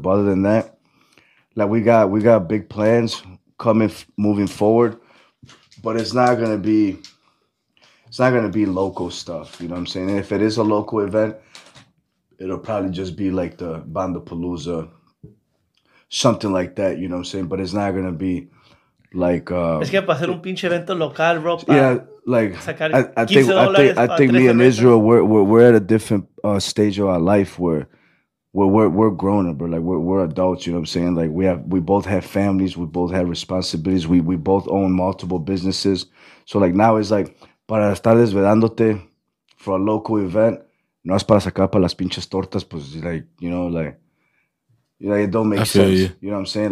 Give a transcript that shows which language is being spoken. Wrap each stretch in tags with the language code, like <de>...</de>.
<en>But other than that, like, we got big plans coming, moving forward. But it's not going to be local stuff. You know what I'm saying? And if it is a local event, it'll probably just be like the Bandapalooza, something like that. You know what I'm saying? But it's not going to be like...</en> <es>Es que para hacer un pinche evento local,</es> <en>bro. I think me and Israel, we're at a different stage of our life where we're grown up, bro. Like, we're adults, you know what I'm saying? Like, we both have families, we both have responsibilities, we both own multiple businesses. So, like, now it's like,</en> <es>para estar desvelándote</es> <en>for a local event,</en> <es>no es para sacar para las pinches tortas, pues,</es> <en>like, you know, like, you know, it don't make sense. You know what I'm saying?</en>